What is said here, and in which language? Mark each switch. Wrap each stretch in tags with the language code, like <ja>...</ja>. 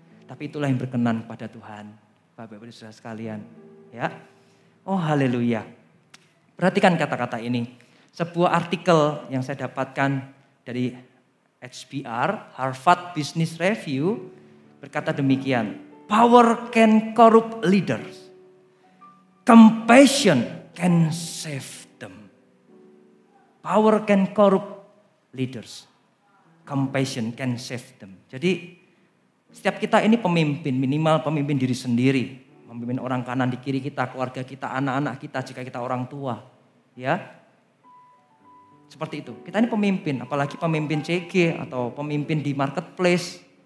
<id>Tapi itulah yang berkenan kepada Tuhan, Bapak-Ibu Saudara sekalian. Ya. Oh, haleluya. Perhatikan kata-kata ini. Sebuah artikel yang saya dapatkan dari HBR, Harvard Business Review, berkata demikian.</id> <en>Power can corrupt leaders. Compassion can save them. Power can corrupt leaders. Compassion can save them.</en> <id>Jadi setiap kita ini pemimpin, minimal pemimpin diri sendiri, pemimpin orang kanan di kiri kita, keluarga kita, anak-anak kita, jika kita orang tua, ya seperti itu. Kita ini pemimpin, apalagi pemimpin CG atau pemimpin di marketplace.</id>